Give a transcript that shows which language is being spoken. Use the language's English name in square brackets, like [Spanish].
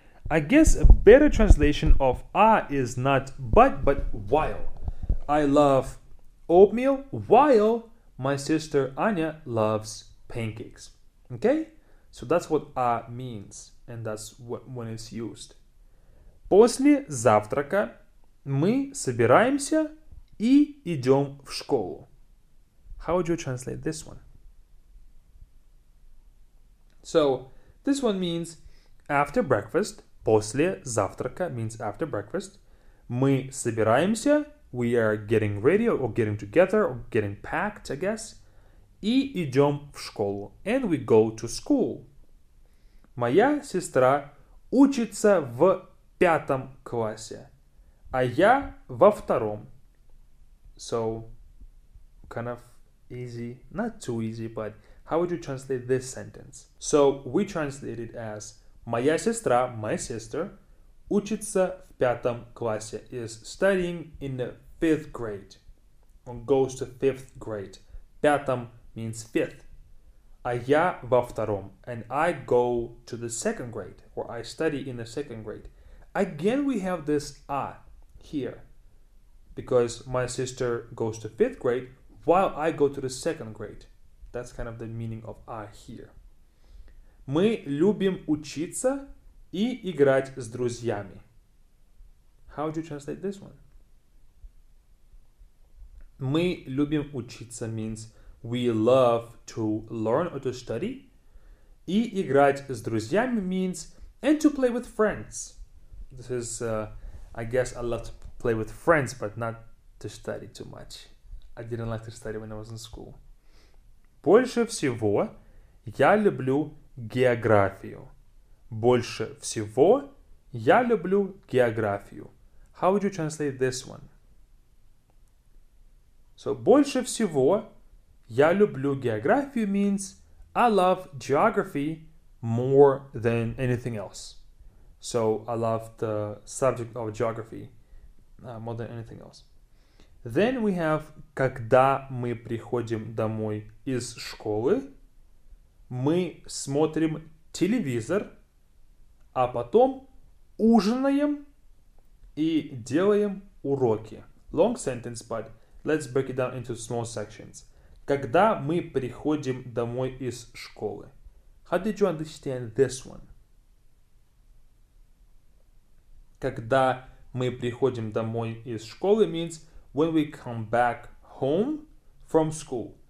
[English] I guess a better translation of a is not but, but while. I love oatmeal while my sister Anya loves pancakes. Okay? So that's what a means, and that's what, when it's used. [Russian] После завтрака мы собираемся и идем в школу. [English] How would you translate this one? So, this one means after breakfast, [Russian] после завтрака [English] means after breakfast, [Russian] мы собираемся, [English] we are getting ready or getting together or getting packed, I guess, [Russian] и идем в школу, [English] and we go to school. [Russian] Моя сестра учится в пятом классе, а я во втором. [English] So, kind of easy, not too easy, but how would you translate this sentence? So we translate it as [Russian] моя сестра, [English] my sister, [Russian] учится в пятом классе, [English] is studying in the fifth grade, or goes to fifth grade. [Russian] Пятом [English] means fifth. [Russian] А я во втором, [English] and I go to the second grade, or I study in the second grade. Again, we have this а here, because my sister goes to fifth grade, while I go to the second grade. That's kind of the meaning of I here. [Russian] Мы любим учиться и играть с друзьями. [English] How would you translate this one? [Russian] Мы любим учиться [English] means we love to learn or to study. [Russian] И играть с друзьями [English] means and to play with friends. This is, I guess, I love to play with friends, but not to study too much. I didn't like to study when I was in school. [Russian] Больше всего я люблю географию. Больше всего я люблю географию. [English] How would you translate this one? So, [Russian] больше всего я люблю географию [English] means I love geography more than anything else. So, I love the subject of geography more than anything else. Then we have, [Russian] когда мы приходим домой из школы, мы смотрим телевизор, а потом ужинаем и делаем уроки. [English] Long sentence, but let's break it down into small sections. [Russian] Когда мы приходим домой из школы? [English] How did you understand this one? [Russian] Когда мы приходим домой из школы [English] means when we come back home from school.